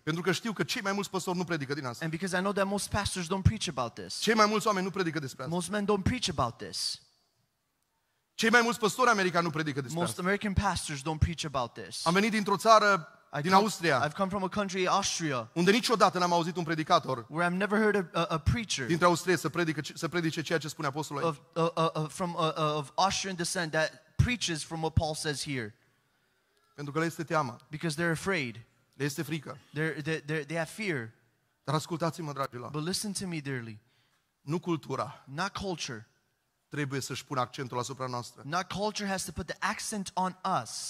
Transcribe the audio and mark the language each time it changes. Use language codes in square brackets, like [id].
[ro] Pentru că știu că cei mai mulți păstori nu predică din asta. [en] And because I know that most pastors don't preach about this. [ro] Cei mai mulți oameni nu predică despre asta. [en] Most men don't preach about this. [ro] Cei mai mulți păstori americani nu predică despre asta. [en] Most American pastors don't preach about this. [ro] Am venit dintr-o țară din Austria. [en] I've come from a country, Austria. [ro] Unde niciodată n-am auzit un predicator. [en] Where I've never heard a preacher. [ro] Dintre Austria să predice ceea ce spune apostolul. [en] From Austrian descent that preaches from what Paul says here. [ro] Pentru că le este teamă. [en] Because they're afraid. [ro] Le este frică. [en] They have fear. [ro] Dar ascultați-mă, dragilor. [en] But listen to me, dearly. [ro] Nu cultura. [en] Not culture. [ro] Trebuie să-și pună accentul asupra noastră. [en] Not culture has to put the accent on us.